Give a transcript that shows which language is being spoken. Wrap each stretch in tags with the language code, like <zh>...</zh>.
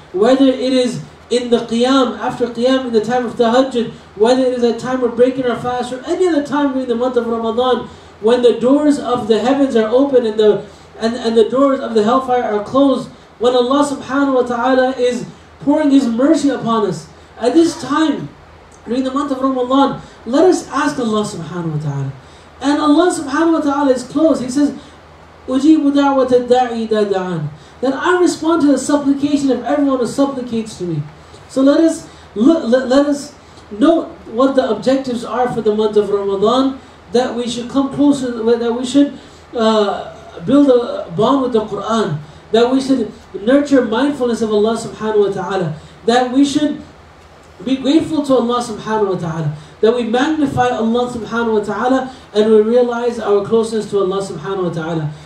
<en>Whether it is in the qiyam, after qiyam in the time of tahajjud, whether it is a time of breaking our fast, or any other time during the month of Ramadan, when the doors of the heavens are open and the doors of the hellfire are closed, when Allah subhanahu wa ta'ala is pouring His mercy upon us. At this time, during the month of Ramadan, let us ask Allah subhanahu wa ta'ala. And Allah subhanahu wa ta'ala is close. He says,</en> <ar>أُجِيبُ دَعْوَةَ الدَّاعِ إِذَا دَعَانِ.</ar> <en>Then I respond to the supplication of everyone who supplicates to me. So let us note what the objectives are for the month of Ramadan, that we should come closer, that we should build a bond with the Qur'an, that we should nurture mindfulness of Allah subhanahu wa ta'ala, that we should be grateful to Allah subhanahu wa ta'ala, that we magnify Allah subhanahu wa ta'ala, and we realize our closeness to Allah subhanahu wa ta'ala.</en>